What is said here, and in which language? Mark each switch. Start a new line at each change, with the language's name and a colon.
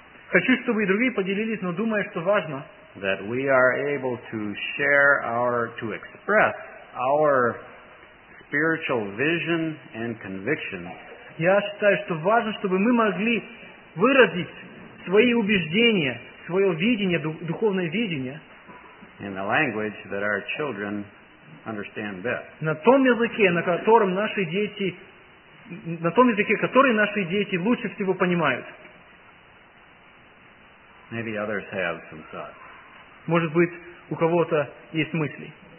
Russian: Хочу, чтобы и другие поделились, но думаю, что важно.
English: That we are able to share to express our spiritual vision and convictions
Russian: Я считаю, что важно, чтобы мы могли выразить свои убеждения, свое видение, духовное видение.
English: In the language that our children understand best.
Russian: На том языке, на котором наши дети, на том языке, который наши дети лучше всего понимают.
English: Maybe others have some thoughts.
Russian: Может быть, у кого-то есть мысли.